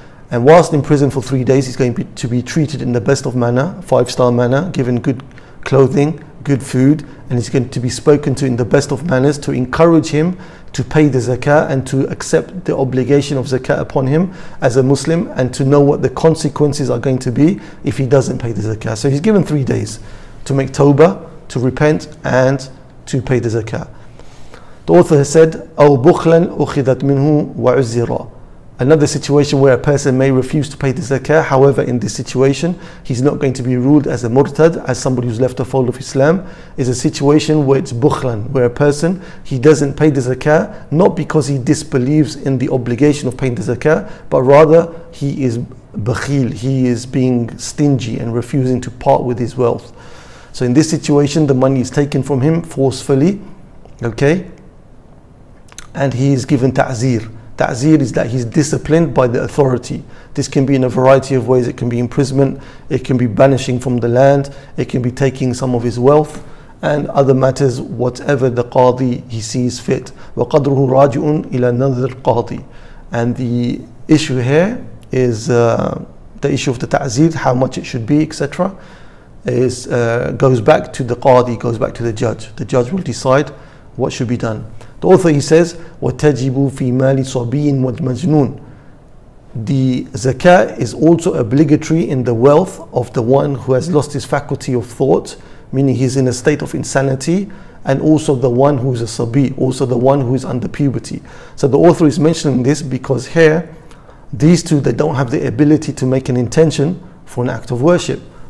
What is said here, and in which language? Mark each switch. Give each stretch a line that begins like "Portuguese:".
English: And whilst in prison for 3 days, he's going to be treated in the best of manner, 5-star manner, given good clothing, good food, and he's going to be spoken to in the best of manners to encourage him to pay the zakah and to accept the obligation of zakah upon him as a Muslim, and to know what the consequences are going to be if he doesn't pay the zakah. So he's given 3 days to make tawbah, to repent, and to pay the zakah. The author has said,
Arabic: أَوْ بُخْلًا أُخِذَتْ مِنْهُ وَعُزِّرًا.
English: Another situation where a person may refuse to pay the zakah, however in this situation he's not going to be ruled as a murtad, as somebody who's left the fold of Islam, is a situation where it's bukhlan, where a person, he doesn't pay the zakah, not because he disbelieves in the obligation of paying the zakah, but rather he is bakhil, he is being stingy and refusing to part with his wealth. So in this situation the money is taken from him forcefully, okay, and he is given ta'zir. Ta'zir is that he's disciplined by the authority. This can be in a variety of ways. It can be imprisonment, it can be banishing from the land, it can be taking some of his wealth and other matters, whatever the qadi he sees fit.
Arabic: وَقَدْرُهُ رَاجِعٌ إِلَى نَذْرِ الْقَاضِ.
English: And the issue here is the issue of the ta'zir, how much it should be, etc. Goes back to the qadi, goes back to the judge. The judge will decide what should be done. The author, he says,
Arabic: وَتَجِبُ فِي مَالِ صَبِيٍّ وَالْمَجْنُونَ.
English: The zakah is also obligatory in the wealth of the one who has lost his faculty of thought, meaning he's in a state of insanity, and also the one who is a sabi, also the one who is under puberty. So the author is mentioning this because here, these two, they don't have the ability to make an intention for an act of worship.